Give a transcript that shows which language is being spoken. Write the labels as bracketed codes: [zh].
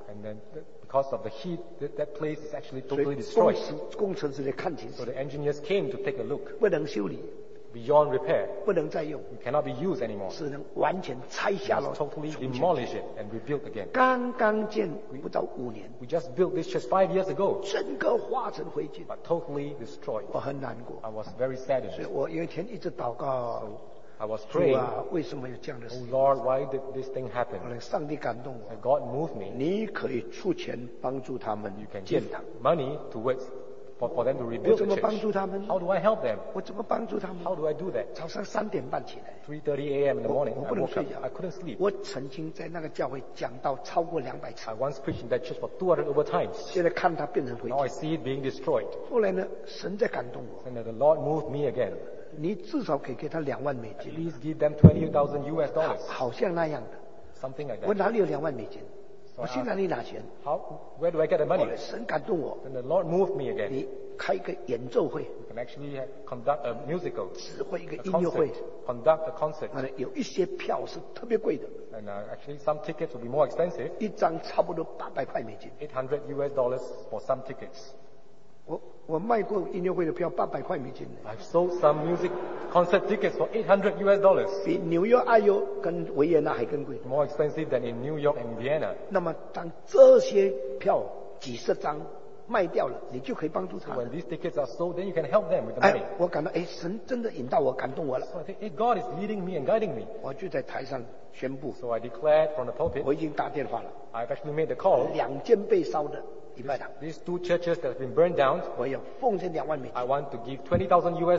[en] And then, because of the heat, that place is actually totally destroyed. [zh] 所以工程师来看清楚。 [en] So the engineers came to take a look. [zh] 不能修理。 [en] Beyond repair. [zh] 不能再用。 [en] It cannot be used anymore. [zh] 只能完全拆下了。 [en] Totally demolish it and rebuild again. [zh] 刚刚建不到五年。 [en] We just built this church 5 years ago. [zh] 整个化成灰烬。 [en] But totally destroyed. [zh] 我很难过。 [en] I was very saddened. [zh] 所以我有一天一直祷告。 [en] I was praying, [zh] 主啊，为什么有这样的事 [en] ？Oh Lord, why did this thing happen? [zh] 上帝感动我。 [en] God moved me. [zh] 你可以出钱帮助他们建堂。 [en] You can give money to work for them to rebuild the church. [zh] 我怎么帮助他们 [en] ？How do I help them? [zh] 我怎么帮助他们 [en] ？How do I do that? [zh] 早上三点半起来。 [en] 3:30 a.m. in the morning. [zh] 我不能睡觉。 [en] I couldn't sleep. [zh] 我曾经在那个教会讲到超过200次。 [en] I once preached in that church for 200 over times. [zh] 现在看它变成灰烬。 [en] Now I see it being destroyed. [zh] 后来呢，神在感动我。 [en] And the Lord moved me again. [zh] 你至少可以给他$20,000 [en] At least give them $20,000 US. [zh] 好像那样的。 [en] Something like that. [zh] 我哪里有$20,000？ [en] So、 [zh] 我去哪里拿钱 [en] ？How? Where do I get the money? [zh] 神感动我。 [en] Then the Lord moved me again. [zh] 你开一个演奏会。 [en] You can actually conduct a musical. [zh] 指挥一个音乐会。 [en] Conduct a concert. [zh] 有一些票是特别贵的。 [en] And actually some tickets will be more expensive. [zh] 一张差不多$800。 [en] $800 US for some tickets. [zh] 我卖过音乐会的票800块美金。 [en] I've sold some music concert tickets for $800. [zh] 比纽约爱乐跟维也纳还更贵。 [en] More expensive than in New York and Vienna. [zh] 那么当这些票几十张卖掉了，你就可以帮助他。 [en] So、when these tickets are sold, then you can help them with the money. [zh] 哎，我感到哎，神真的引导我，感动我了。 [en] So I think, hey, God is leading me and guiding me. [zh] 我就在台上宣布。 [en] So I declared from the pulpit. [zh] 我已经打电话了。 [en] I've actually made the call. [zh] 两间被烧的。 [en] These two churches that have been burned down, I want to give $20,000.